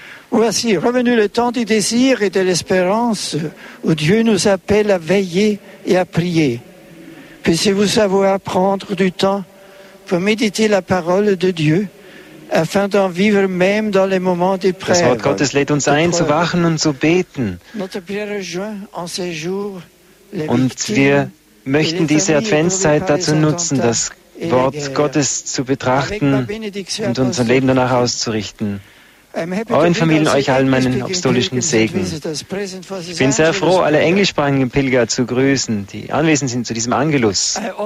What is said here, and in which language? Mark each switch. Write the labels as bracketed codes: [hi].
[fr] Voici revenu le temps du désir et de l'espérance où Dieu nous appelle à veiller et à prier. Puissiez-vous savoir prendre du temps pour méditer la parole de Dieu afin d'en vivre même dans les moments de prière. [de] Das Wort Gottes lädt uns ein, zu wachen und zu beten. [fr] Notre prière rejoint en ces jours les victimes. [de] Möchten diese Adventszeit dazu nutzen, das Wort Gottes zu betrachten und unser Leben danach auszurichten. Euren Familien, euch allen meinen apostolischen Segen. Ich bin sehr froh, alle englischsprachigen Pilger zu grüßen, die anwesend sind zu diesem Angelus.